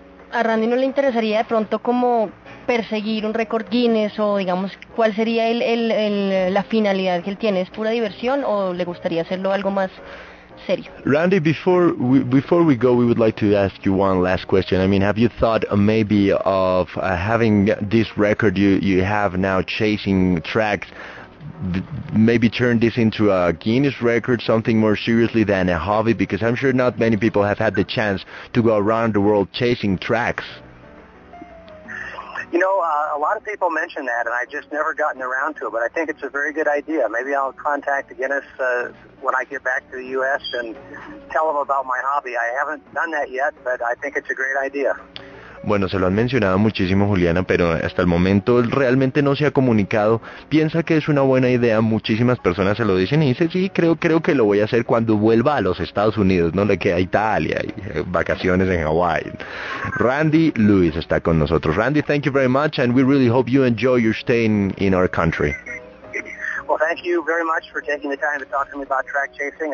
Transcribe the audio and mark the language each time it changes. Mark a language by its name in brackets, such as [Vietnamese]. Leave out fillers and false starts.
[Spanish] ¿A Randy no le interesaría de pronto como perseguir un récord Guinness o, digamos, cuál sería la finalidad que él tiene? ¿Es pura diversión o le gustaría hacerlo algo más serio? [English] Randy, before we go, we would like to ask you one last question. I mean, have you thought maybe of having this record you have now chasing tracks, maybe turn this into a Guinness record, something more seriously than a hobby, because I'm sure not many people have had the chance to go around the world chasing tracks? You know, a lot of people mention that, and I've just never gotten around to it, but I think it's a very good idea. Maybe I'll contact Guinness when I get back to the U.S. and tell them about my hobby. I haven't done that yet, but I think it's a great idea. [Spanish] Bueno, se lo han mencionado muchísimo, Juliana, pero hasta el momento él realmente no se ha comunicado. Piensa que es una buena idea, muchísimas personas se lo dicen y dice, sí, creo que lo voy a hacer cuando vuelva a los Estados Unidos, no le queda Italia y vacaciones en Hawái. Randy Lewis está con nosotros. [English] Randy, thank you very much, and we really hope you enjoy your stay in our country. Well, thank you very much for taking the time to talk to me about track chasing.